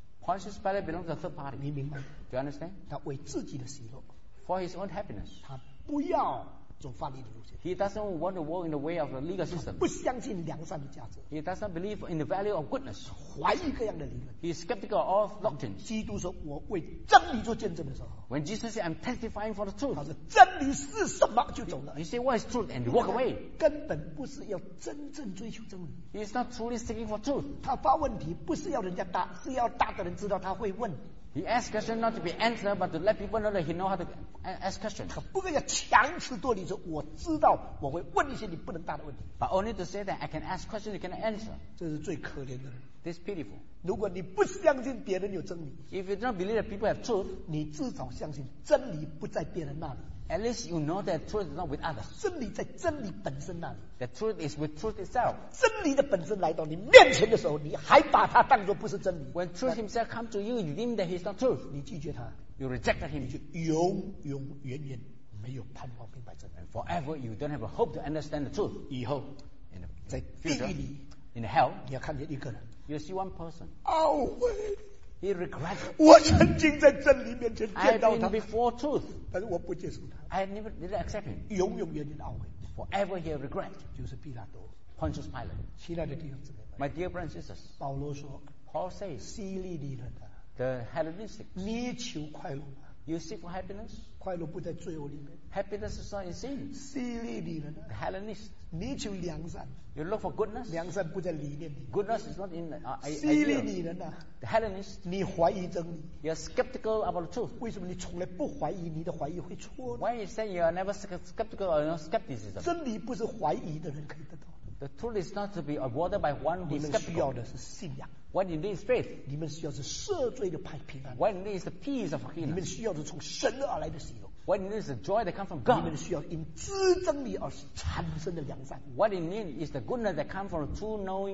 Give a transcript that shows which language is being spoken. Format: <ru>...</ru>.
<en>Pontius Pilate belongs to the third party.</en> <zh>你明白</zh> <en>？Do you understand？</en> <zh>他为自己的喜乐。</zh> <en>For his own happiness.</en> <zh>他不要。</zh> <en>He doesn't want to walk in the way of the legal system.</en> <zh>不相信良善的价值。</zh> <en>He doesn't believe in the value of goodness.</en> <zh>怀疑各样的理论。</zh> <en>He is skeptical of doctrine.</en> <zh>基督说我为真理做见证的时候。</zh> <en>When Jesus said, I'm testifying for the truth.</en> <zh>他说真理是什么就走了。</zh> <en>He said, what is truth? And walk away.</en> <zh>根本不是要真正追求真理。</zh> <en>He is not truly seeking for truth.</en> <zh>他发问题不是要人家答，是要答的人知道他会问。</zh> <en>He asks questions not to be answered, but to let people know that he knows how to ask questions.</en> <zh>他不要强词夺理说我知道我会问一些你不能答的问题。</zh> <en>But only to say that I can ask questions you cannot answer.</en> <zh>这是最可怜的人。</zh> <en>This pitiful.</en> <zh>如果你不相信别人有真理，</zh> <en>if you don't believe that people have truth,</en> <zh>你至少相信真理不在别人那里。</zh> <en>At least you know that truth is not with others.</en> <zh>真理在真理本身那里。</zh> <en>The truth is with truth itself.</en> <zh>真理的本身来到你面前的时候，你还把它当作不是真理。</zh> <en>When truth himself comes to you, you deem that he's not truth.</en> <zh>你拒绝他。</zh> <en>You rejected him.</en> <zh>你就永永远远没有盼望明白真理。</zh> <en>And forever you don't have a hope to understand the truth.</en> <zh>以后，在地狱里。</zh> <en>In hell,</en> <zh>你要看见一个人。</zh> <en>You see one person.</en> <zh>懊悔。</zh> <en>He regrets.</en> <zh>我曾经在真理面前见到他。</zh> <en>I have been before truth.</en> <zh>但是我不接受他。</zh> <en>I never did accept him.</en> <zh>永永远远懊悔。</zh> <en>Forever he regret.</en> <zh>就是毕拉多。</zh> <en>Pontius Pilate.</en> <zh>亲爱的弟兄姊妹。</zh> <en>My dear brothers and sisters.</en> <zh>保罗说。</zh> <en>Paul says.</en> <zh>希利尼人的。</zh> <en>The Hellenistics.</en> <zh>你求快乐。</zh> <en>You seek for happiness.</en> <zh>快乐不在罪恶里面。</zh> <en>Happiness is not in sin.</en> <zh>希利尼人的。</zh> <en>The Hellenists.</en> <zh>你求良善。</zh> <en>You look for goodness.</en> <zh>良善不在理念里。</zh> <en>Goodness is not in the idea. The Hellenists.</en> <zh>你怀疑真理。</zh> <en>You're skeptical about the truth.</en> <zh>为什么你从来不怀疑？你的怀疑会错。</zh> <en>Why you say you are never skeptical or your skepticism?</en> <zh>真理不是怀疑的人可以得到。</zh> <en>The truth is not to be awarded by one who is skeptical.</en> <zh>你们需要的是信仰。</zh> <en>What you need is faith.</en> <zh>你们需要是赦罪的平安。</zh> <en>What you need is the peace of healing.</en> <zh>你们需要是从神而来的喜乐。</zh> <en>What you need is the joy that comes from God.</en> <zh>你们需要因知真理而产生的良善。</zh> <en>What you need is the goodness that comes from true knowing.</en>